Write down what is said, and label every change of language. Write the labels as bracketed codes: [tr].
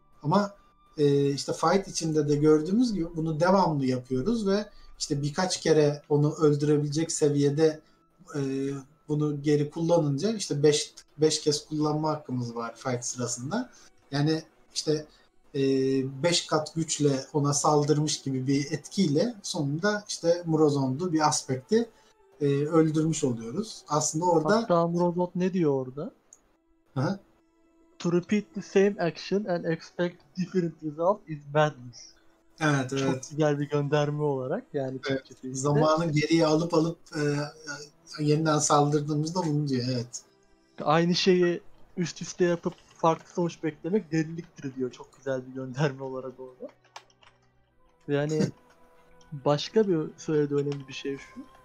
[tr] Ama işte fight içinde de gördüğümüz gibi bunu devamlı yapıyoruz ve işte birkaç kere onu öldürebilecek seviyede bunu geri kullanınca işte 5 kez kullanma hakkımız var fight sırasında. Yani işte 5 kat güçle ona saldırmış gibi bir etkiyle sonunda işte Morozont'u bir aspekti öldürmüş oluyoruz. Aslında orada... Hatta Morozont ne diyor orada? Hı-hı. [en] To repeat the same action and expect different result is madness. [tr] Evet, evet. Çok güzel bir gönderme olarak yani. Evet, zamanı geriye alıp yeniden saldırdığımızda bunu diyor, evet. Aynı şeyi üst üste yapıp farklı sonuç beklemek deliliktir diyor. Çok güzel bir gönderme olarak orada. Yani başka bir söylediği önemli bir şey şu.